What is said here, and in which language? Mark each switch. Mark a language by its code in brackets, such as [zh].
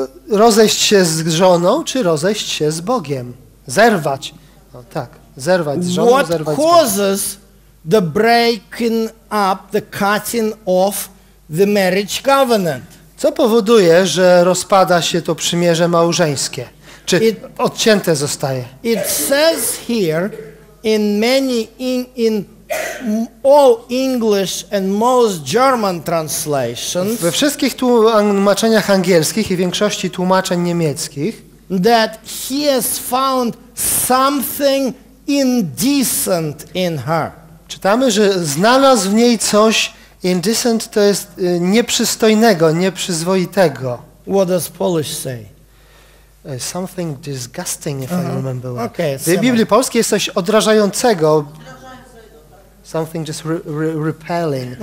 [pl] Rozejść się z żoną, czy rozejść się z Bogiem. Zerwać. No, tak, zerwać z żoną, [en] what [pl] zerwać [en] causes [pl] z Bogiem. [en] The breaking up, the cutting off the marriage covenant? [pl] Co powoduje, że rozpada się to przymierze małżeńskie? Czy [en] it, [pl] odcięte zostaje? [en] It says here in many in all English and most German translations. [pl] We wszystkich tłumaczeniach angielskich i większości tłumaczeń niemieckich. [en] That he has found something indecent in her. [pl] Czytamy, że znalazł w niej coś indecent, to jest nieprzystojnego, nieprzyzwoitego. [en] What does Polish say? Something disgusting, if I remember well. Okay, [pl] w Biblii polskiej jest coś odrażającego. [en] Something just repelling.